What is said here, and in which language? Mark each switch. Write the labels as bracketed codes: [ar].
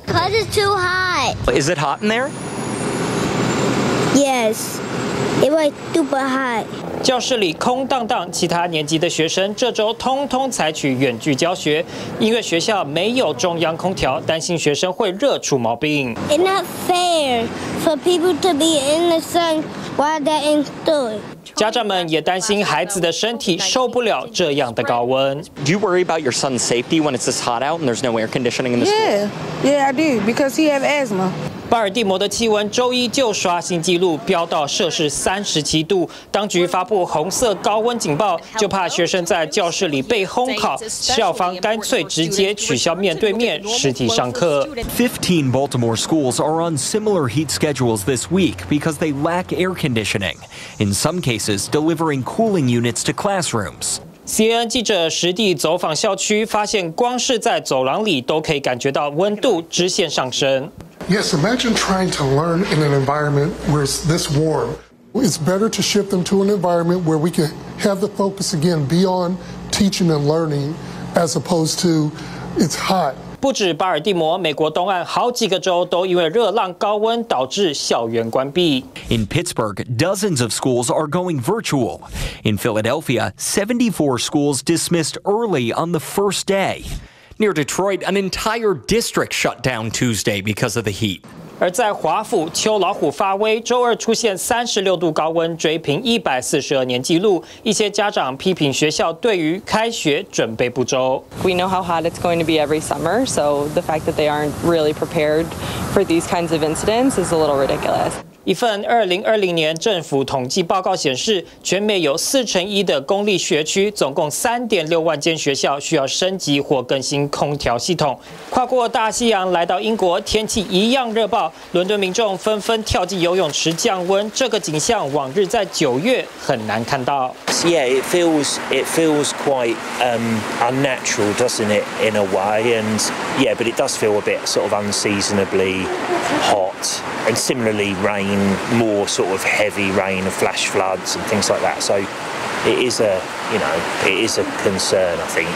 [en] Cause it's too hot. Is it hot in there? Yes, it was super hot. [zh] 教室里空荡荡，其他年级的学生这周通通采取远距教学，因为学校没有中央空调，担心学生会热出毛病。 [en] It's not fair for people to be in the sun while they're in school. [zh] 家长们也担心孩子的身体受不了这样的高温。 [en] Do you worry about your son's safety when it's this hot out and there's no air conditioning in the school? Yeah, I do, because he has asthma. [zh] 巴尔的摩的气温周一就刷新纪录，飙到摄氏37度。当局发布红色高温警报，就怕学生在教室里被烘烤，校方干脆直接取消面对面实体上课。 [en] 15 Baltimore schools are on similar heat schedules this week because they lack air conditioning. In some cases, delivering cooling units to classrooms. [zh] CNN 记者实地走访校区，发现光是在走廊里都可以感觉到温度直线上升。 [en] Yes, imagine trying to learn in an environment where it's this warm. It's better to shift them to an environment where we can have the focus again be on teaching and learning as opposed to it's hot. [zh] 不止巴尔的摩，美国东岸好几个州都因为热浪高温导致校园关闭。 [en] In Pittsburgh, dozens of schools are going virtual. In Philadelphia, 74 schools dismissed early on the first day. Near Detroit, an entire district shut down Tuesday because of the heat. [zh] 而在华府，秋老虎发威，周二出现36度高温，追平142年纪录。一些家长批评学校对于开学准备不周。 [en] We know how hot it's going to be every summer, so the fact that they aren't really prepared for these kinds of incidents is a little ridiculous. [zh] 一份2020年政府统计报告显示，全美有1/4的公立学区，总共3.6万间学校需要升级或更新空调系统。跨过大西洋来到英国，天气一样热爆，伦敦民众纷纷跳进游泳池降温，这个景象往日在9月很难看到。 [en] Yeah, it feels quite unnatural, doesn't it? In a way, and yeah, but it does feel a bit sort of unseasonably hot, and similarly rain. More sort of heavy rain, flash floods, and things like that. So it is a concern, I think.